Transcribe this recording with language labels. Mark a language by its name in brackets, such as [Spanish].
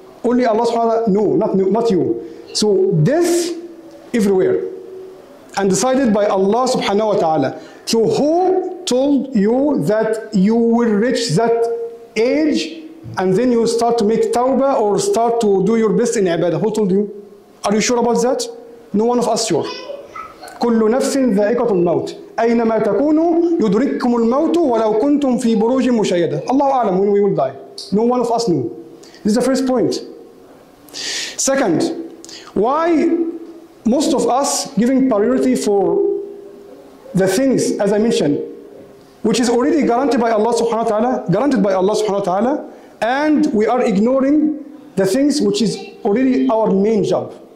[English] Only Allah subhanahu wa ta'ala, no, not you. So death everywhere and decided by Allah subhanahu wa ta'ala. So who told you that you will reach that age and then you start to make tawbah or start to do your best in ibadah? Who told you? Are you sure about that? No one of us sure. [Arabic] كل نفس ذائقة الموت أينما تكونوا يدرككم الموت ولو كنتم في بروج مشيدة. الله أعلم [English] when we will die. No one of us knew. This is the first point. Second, why most of us giving priority for the things as I mentioned, which is already guaranteed by Allah Subhanahu wa Taala, guaranteed by Allah Subhanahu wa Taala, and we are ignoring the things which is already our main job.